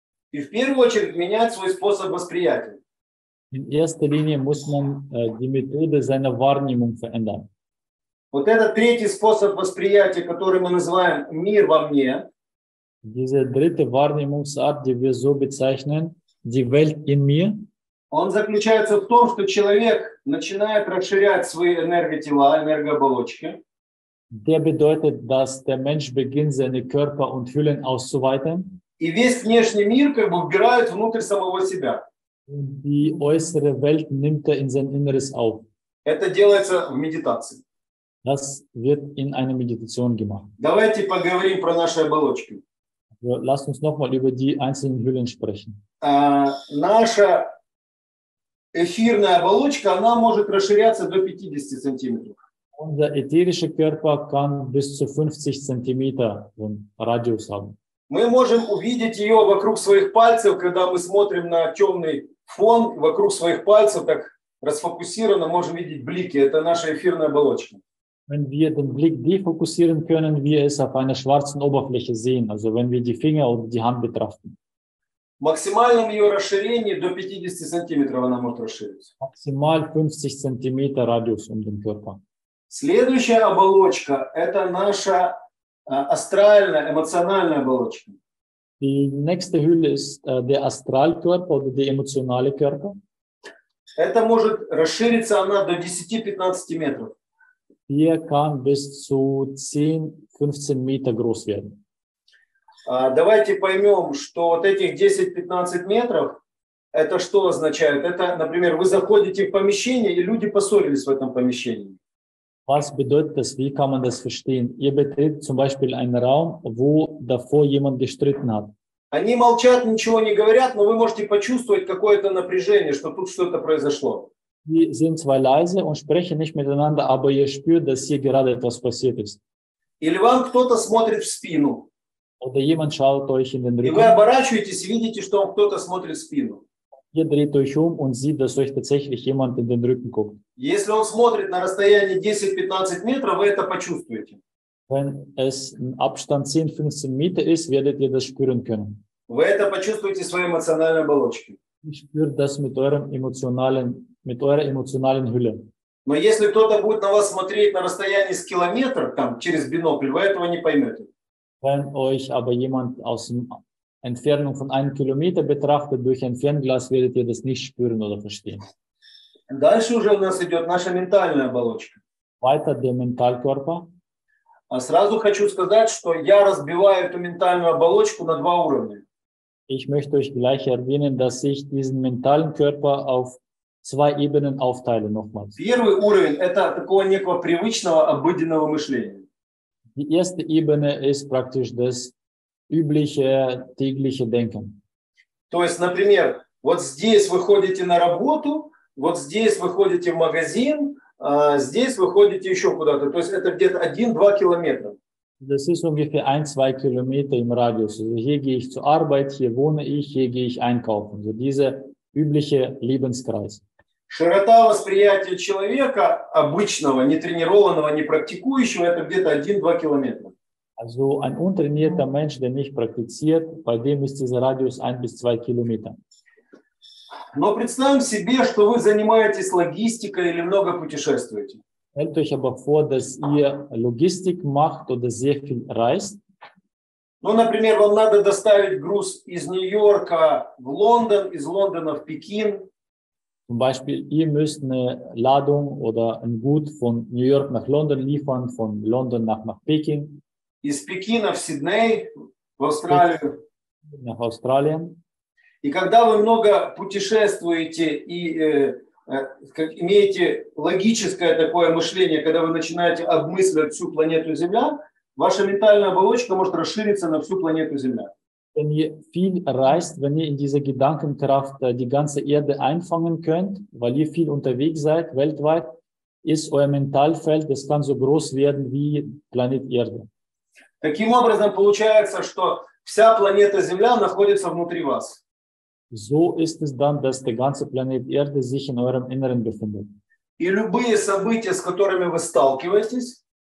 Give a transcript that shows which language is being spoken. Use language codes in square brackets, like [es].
[ru] И в первую очередь менять свой способ восприятия. [de] In erster Linie muss man die Methode seiner Wahrnehmung verändern. [ru] Вот этот третий способ восприятия, который мы называем «мир во мне», [de] diese dritte Wahrnehmungsart, die wir so bezeichnen, die Welt in mir, [ru] он заключается в том, что человек начинает расширять свои энерготела, энергооболочки. [de] Der bedeutet, dass der Mensch beginnt, seine Körper und Hüllen auszuweiten. [ru] И весь внешний мир как бы вбирает внутрь самого себя. [de] Und die äußere Welt nimmt in sein Inneres auf. [ru] Это делается в медитации. [de] Das wird in einer Meditation gemacht. [ru] Давайте поговорим про наши оболочки. [de] Also, lasst uns nochmal über die einzelnen Hüllen sprechen. [ru] Наша эфирная оболочка, она может расширяться до 50 сантиметров. [de] Unser ätherischer Körper kann bis zu 50 cm einen Radius haben. [ru] Мы можем увидеть ее вокруг своих пальцев, когда мы смотрим на темный фон вокруг своих пальцев, так расфокусированно можем видеть блики. Это наша эфирная оболочка. [de] Wenn wir den Blick defokussieren können, wir es auf einer schwarzen Oberfläche sehen. Also wenn wir die Finger und die Hand betrachten. [ru] В максимальном ее расширении до 50 сантиметров она может расшириться. [de] Maximal 50 cm Radius um den Körper. [ru] Следующая оболочка – это наша астральная, эмоциональная оболочка. [de] Die nächste Hülle ist der Astralkörper oder der emotionale Körper. [ru] Это может расшириться она до 10-15 метров. [de] Hier kann bis zu 10-15 Meter groß werden. [ru] Давайте поймем, что вот этих 10-15 метров – это что означает? Это, например, вы заходите в помещение, и люди поссорились в этом помещении. [de] Was bedeutet das? Wie kann man das verstehen? Ihr betritt zum Beispiel einen Raum, wo davor jemand gestritten hat. [ru] Они молчат, ничего не говорят, но вы можете почувствовать какое-то напряжение, что тут что-то произошло. [de] Sie sind zwar leise und sprechen nicht miteinander, aber ihr spürt, dass hier gerade etwas passiert ist. [ru] Или вам кто-то смотрит в спину. [de] Oder jemand schaut euch in den Rücken. [ru] И вы оборачиваетесь и видите, что вам кто-то смотрит в спину. [de] Ihr dreht euch um und sieht, dass euch tatsächlich jemand in den Rücken guckt. [ru] Если он смотрит на расстоянии 10-15 метров, вы это почувствуете. [de] Wenn es ein Abstand 10-15 Meter ist, werdet ihr das spüren können. [ru] Вы это почувствуете своей эмоциональной оболочкой. [de] Ich spüre das mit eurer emotionalen Hülle. [ru] Но если кто-то будет на вас смотреть на расстоянии с километра, там, через бинокль, вы этого не поймете. [de] Wenn euch aber jemand aus dem Entfernung von einem Kilometer betrachtet durch ein Fernglas, werdet ihr das nicht spüren oder verstehen. [ru] Дальше уже у нас идет наша ментальная оболочка. [de] Weiter der Mentalkörper. [ru] А сразу хочу сказать, что я разбиваю эту ментальную оболочку на два уровня. [de] Ich möchte euch gleich erwähnen, dass ich diesen mentalen Körper auf zwei Ebenen aufteile nochmals. [ru] Первый уровень – это такого некого привычного, обыденного мышления. [de] Die erste Ebene ist praktisch das übliche, tägliche Denken. [ru] То есть, например, вот здесь вы ходите на работу, вот здесь вы ходите в магазин, здесь вы ходите еще куда-то. То есть это где-то 1-2 километра. [de] Das ist ungefähr 1-2 Kilometer im Radius. Also hier gehe ich zur Arbeit, hier wohne ich, hier gehe ich einkaufen. So dieser übliche Lebenskreis. [ru] Широта восприятия человека обычного, нетренированного, не практикующего, это где-то 1-2 километра. [de] Also ein untrainierter Mensch, der nicht praktiziert, bei dem ist dieser Radius 1-2 Kilometer. [ru] Но представим себе, что вы занимаетесь логистикой или много путешествуете. [de] Stellt euch aber vor, dass ihr Logistik macht oder sehr viel reist. [ru] Ну, например, вам надо доставить груз из Нью-Йорка в Лондон, из Лондона в Пекин. [de] Zum Beispiel, ihr müsst eine Ladung oder ein Gut von New York nach London liefern, von London nach Peking. [ru] Из Пекина в Сидней, в Австралию. [de] Nach Australien. [ru] И когда вы много путешествуете и как имеете логическое такое мышление, когда вы начинаете обмысливать всю планету Земля, ваша ментальная оболочка может расшириться на всю планету Земля. [de] Wenn ihr viel reist, wenn ihr in dieser Gedankenkraft die ganze Erde einfangen könnt, weil ihr viel unterwegs seid weltweit, ist euer Mentalfeld, das kann so groß werden wie Planet Erde. [ru] Таким образом получается, что вся планета Земля находится внутри вас. [de] So ist es dann, dass der ganze Planet Erde sich in eurem Inneren befindet. [ru] И любые события, с которыми вы сталкиваетесь,